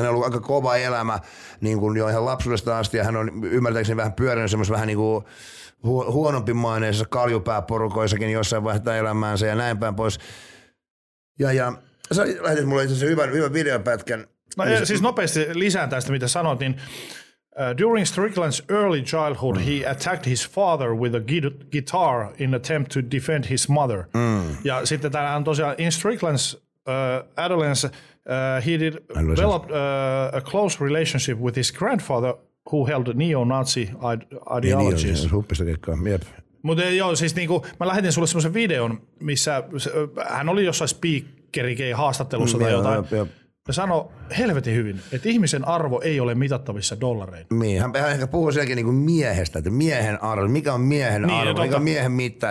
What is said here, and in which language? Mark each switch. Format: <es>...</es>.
<fi>Hän on ollut aika kova elämä niin kuin jo ihan lapsuudesta asti ja hän on ymmärtääkseni vähän pyörännyt semmoista vähän niin kuin huonompi maineissa kaljupääporukoissakin jossain vaiheessa elämäänsä ja näin päin pois. Ja sä lähetit mulle itse asiassa hyvän videopätkän. No niin siis nopeasti lisään tästä, mitä sanoit, niin</fi> <en>during Strickland's early childhood, he attacked his father with a guitar in attempt to defend his mother. Mm.</en> <fi>Ja sitten täällä on tosiaan,</fi> <en>in Strickland's adolescence, he developed a close relationship with his grandfather, who held neo-Nazi ideologies.</en> <fi>Mutta joo, siis niinku, mä lähetin sulle semmoisen videon, missä hän oli jossain speakerikei haastattelussa tai jotain. Ja sanoi helvetin hyvin, että ihmisen arvo ei ole mitattavissa dollareina. Niin, hän ehkä puhuu sielläkin niinku miehestä, että miehen arvo, mikä on miehen niin, arvo, mikä on miehen mitta.</fi>